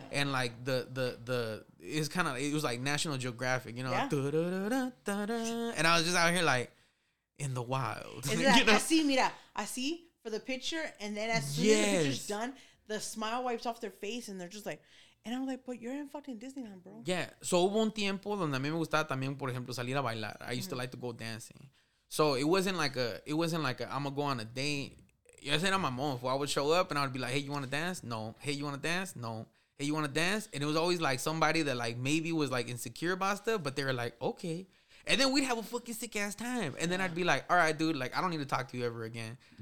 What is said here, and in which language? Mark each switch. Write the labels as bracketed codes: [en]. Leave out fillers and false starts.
[en] And like the it's kind of, it was like National Geographic, you know? Yeah. Like, da, da, da, da, da. And I was just out here like in the wild. I see for the picture, and then as soon as the picture's done, the smile wipes off their face and they're just like, and I'm like, but you're in fucking Disneyland, bro. Yeah. [es] So hubo un tiempo donde a mí me gustaba también, por ejemplo, salir a bailar. [en] I used to like to go dancing. So it wasn't like I'm gonna go on a date. You know, I'm my mom. Well, I would show up and I would be like, hey, you wanna dance? No. Hey, you wanna dance? No. Hey, you wanna dance? And it was always like somebody that like maybe was like insecure about stuff, but they were like, okay. And then we'd have a fucking sick ass time. And then I'd be like, all right, dude, like I don't need to talk to you ever again.